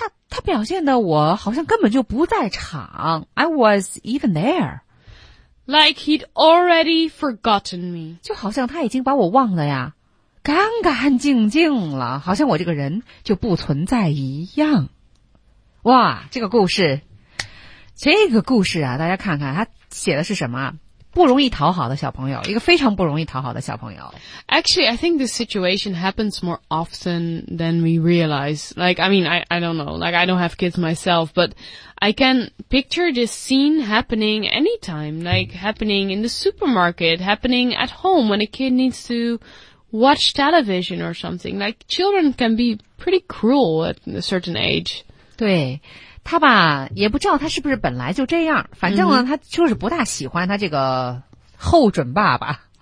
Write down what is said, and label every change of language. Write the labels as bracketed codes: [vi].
[zh] 他表现得我好像根本就不在场 [en] I was even there. Like he'd already forgotten me. [zh] 就好像他已经把我忘了呀，干干净净了，好像我这个人就不存在一样。哇，这个故事啊，大家看看他写的是什么，不容易讨好的小朋友，一个非常不容易讨好的小朋友。 [en] Actually, I think this situation happens more often than we realize. Like, I mean, I don't know. Like, I don't have kids myself, but I can picture this scene happening anytime. Like, happening in the supermarket, happening at home when a kid needs to watch television or something. Like, children can be pretty cruel at a certain age. [zh] 对。他吧也不知道他是不是本来就这样，反正呢、mm-hmm. 他就是不大喜欢他这个后准爸爸、